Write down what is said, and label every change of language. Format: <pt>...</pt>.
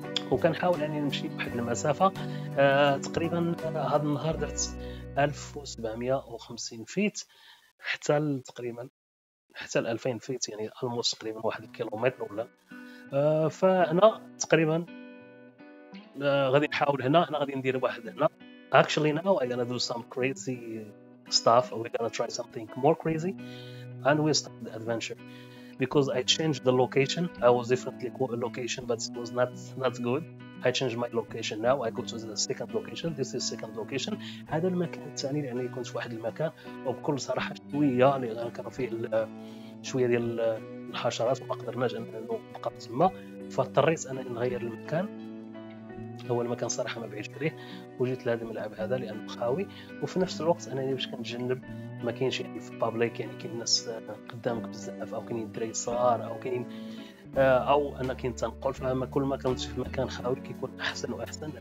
<ar>وكنحاول اني نمشي بواحد المسافه تقريبا هذا النهار درت 1750 فيت حتى تقريبا حتى 2000 فيت، يعني الموس تقريبا واحد الكيلومتر ولا فانا تقريبا غادي نحاول هنا، انا غادي ندير واحد هنا</ar> <en>Actually now I gonna do some crazy stuff or we're gonna try something more crazy and we start the adventure because I changed the location. I was differently location but it was not good. I changed my location now. I go to the second location. This is second location.</en> <ar>هذا المكان الثاني لأنني كنت في واحد المكان وبكل صراحة شوية لأن كان فيه شوية ديال الحشرات وما قدرناش أن نبقى تما، فاضطريت أنا نغير المكان. هو المكان صراحة ما بعيدش عليه، وجيت لهذا الملعب هذا لأنه خاوي، وفي نفس الوقت أنا باش كنتجنب ما كاينش يعني في بابليك، يعني كاين الناس قدامك بزاف أو كاينين دراري صغار أو كاينين أو أنا كاين تنقل، فما كل ما كنت في مكان خاوي كيكون أحسن وأحسن.</ar>